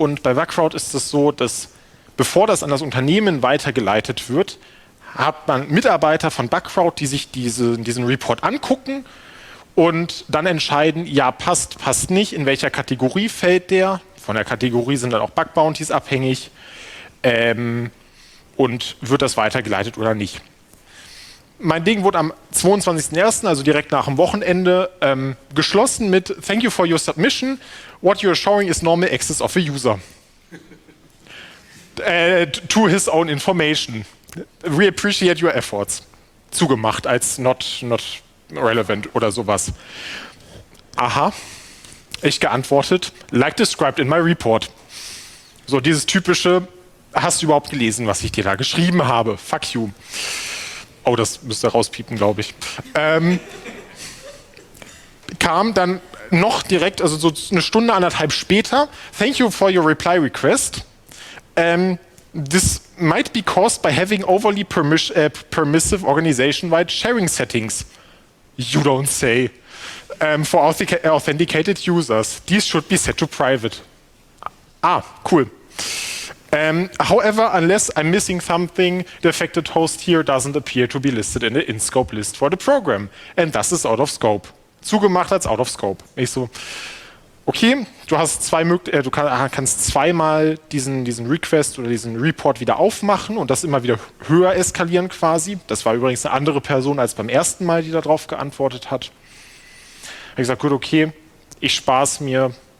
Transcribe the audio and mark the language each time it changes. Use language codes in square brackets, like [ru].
[de] Und bei Bugcrowd ist es so, dass bevor das an das Unternehmen weitergeleitet wird, hat man Mitarbeiter von Bugcrowd, die sich diesen Report angucken und dann entscheiden, ja, passt, passt nicht, in welcher Kategorie fällt der. Von der Kategorie sind dann auch Bug Bounties abhängig. Und wird das weitergeleitet oder nicht. Mein Ding wurde am 22.01., also direkt nach dem Wochenende, geschlossen mit [en] Thank you for your submission. What you are showing is normal access of a user. To his own information. We appreciate your efforts. [de] Zugemacht als not relevant oder sowas. Aha. Ich geantwortet. [en] Like described in my report. [de] So dieses typische, hast du überhaupt gelesen, was ich dir da geschrieben habe? Fuck you. Oh, das müsste rauspiepen, glaube ich. Kam dann noch direkt, also so eine Stunde, anderthalb später, [en] thank you for your reply request. This might be caused by having overly permissive organization-wide sharing settings. You don't say. For authenticated users. These should be set to private. Ah, cool. However, unless I'm missing something, the affected host here doesn't appear to be listed in the in-scope list for the program. And thus is out of scope. [de] Zugemacht als [en] out of scope. [de] Ich so, okay, du hast kannst zweimal diesen Request oder diesen Report wieder aufmachen und das immer wieder höher eskalieren quasi. Das war übrigens eine andere Person als beim ersten Mal, die darauf geantwortet hat. Ich habe gesagt, gut, okay, ich spar's mir.